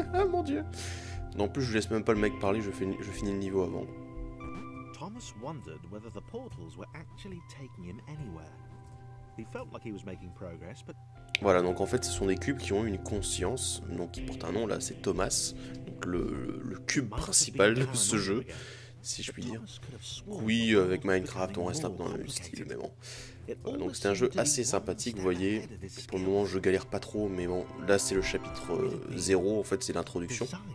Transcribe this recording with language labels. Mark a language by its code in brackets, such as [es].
[fr] Mon Dieu. Non plus, je laisse même pas le mec parler, je finis le niveau avant. [en] Thomas wondered whether the portals were actually taking him anywhere. He felt like he was making progress, but [fr] voilà, donc en fait, ce sont des cubes qui ont une conscience, donc qui portent un nom, là, c'est Thomas, donc le cube principal de ce jeu, si je puis dire. Oui, avec Minecraft, on reste un peu dans le même style, mais bon. Voilà, donc c'est un jeu assez sympathique, vous voyez. Pour le moment, je galère pas trop, mais bon, là, c'est le chapitre 0, en fait, c'est l'introduction.